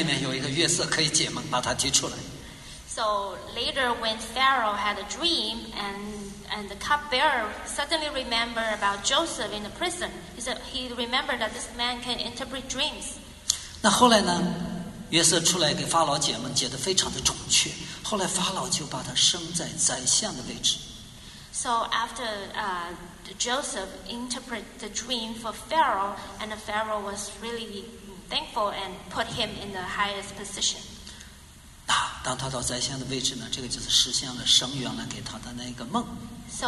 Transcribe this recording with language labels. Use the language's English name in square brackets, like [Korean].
[Chinese] 但是呢，后来呢，法老做梦的时候，酒正突然想起来，哦，监里面有一个月色可以解梦，把他提出来。 [English] So later, when Pharaoh had a dream and the cupbearer suddenly remembered about Joseph in the prison, he said he remembered that this man can interpret dreams. [Chinese] 那后来呢？约瑟出来给法老解梦，解得非常的准确。后来法老就把他升在宰相的位置。 [English] So after Joseph interpreted the dream for Pharaoh, and the Pharaoh was really thankful and put him in the highest position. [Chinese] 当他到宰相的位置呢，这个就是实现了神原来给他的那个梦。 [English] So